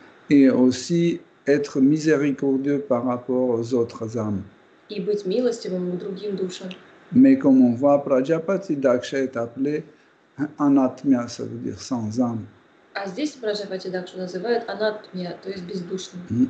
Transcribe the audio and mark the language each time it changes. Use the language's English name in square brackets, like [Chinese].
[French] Et aussi être miséricordieux par rapport aux autres âmes. [Russian] И быть милостивым к другим душам. [French] Mais comme on voit, Prajapati Daksha est appelé anatmya, ça veut dire sans âme. [Russian] А здесь Prajapati Daksha называют anatmya, то есть бездушным.